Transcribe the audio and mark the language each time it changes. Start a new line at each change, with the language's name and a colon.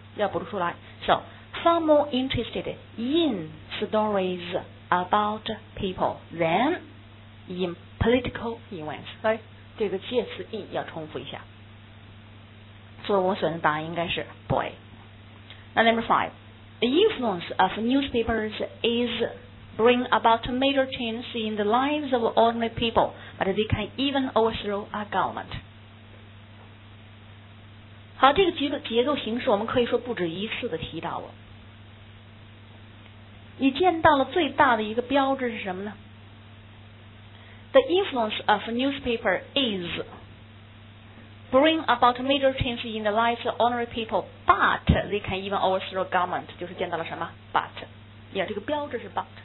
Chinese: 要补出来
English: So, far more interested in stories about people than in political events, right?
Chinese: 这个介词 in 要重复一下。所以我选的答案应该是 boy.
English: Now, number five, the influence of newspapers is bring about major changes in the lives of ordinary people, but they can even overthrow a government.
Chinese: 好，这个结构形式我们可以说不止一次的提到过。你见到了最大的一个标志是什么呢
English: The influence of newspaper is bring about major change in the lives of ordinary people but they can even overthrow government
Chinese: 就是见到了什么
English: but
Chinese: 也这个标志是
English: but